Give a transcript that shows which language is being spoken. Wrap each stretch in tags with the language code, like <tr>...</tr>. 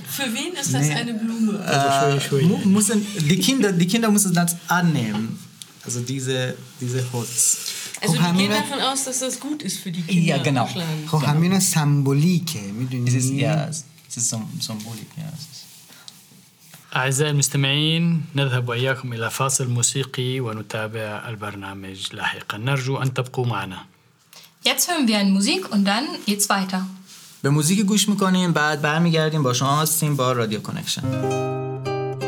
<de>Für wen ist das eine Blume? Müssen, die Kinder müssen das annehmen. Also diese Holz. Also die gehen davon aus, dass das gut ist für die Kinder. Ja, genau. Hohamina Symbolike. Es ist ja, es ist Symbolik, ja.</de> <ar>أعزائي المستمعين نذهب وإياكم إلى فاصل موسيقي ونتابع البرنامج لاحقا نرجو أن تبقوا معنا.</ar> <de>Jetzt hören wir eine Musik und dann geht's weiter.</de> <fa>به موسیقی گوش میکنیم بعد برمیگردیم با شما هستیم با رادیو کانکشن.</fa>